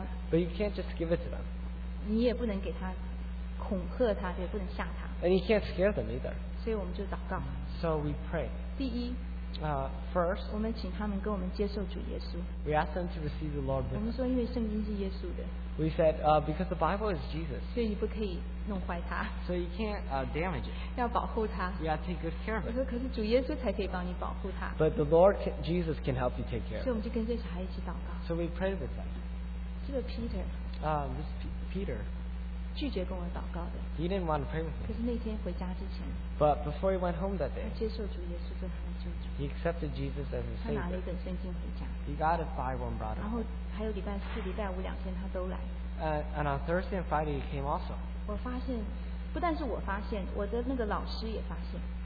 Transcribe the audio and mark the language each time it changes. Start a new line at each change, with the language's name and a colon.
English: But you can't just give it to them. And you can't scare them either. So we pray.
Chinese: 第一,
English: First,
Chinese: 我们请他们跟我们接受主耶稣。
English: We ask them to receive the Lord with us.
Chinese: 我们说因为圣经是耶稣的。
English: We said, because the Bible is Jesus. So you can't damage it.
Chinese: 要保护他,
English: you have to take good care of it.
Chinese: 我说可是主耶稣才可以帮你保护他。
English: But the Lord Jesus can help you take care of it.
Chinese: 所以我们就跟这小孩一起祷告。
English: So we prayed with them.
Chinese: 这个Peter,
English: this Peter.
Chinese: 拒绝跟我祷告的,
English: he didn't want to pray with me.
Chinese: 可是那天回家之前,
English: but before he went home that day,
Chinese: 他接受主耶稣做他的救主,
English: he accepted Jesus as his Savior.
Chinese: 他拿了一本圣经回家,
English: he got a Bible and brought it.
Chinese: 然后还有礼拜四、礼拜五两天他都来,
English: and on Thursday and Friday he came also.
Chinese: 我发现, 不但是我发现, 我的那个老师也发现,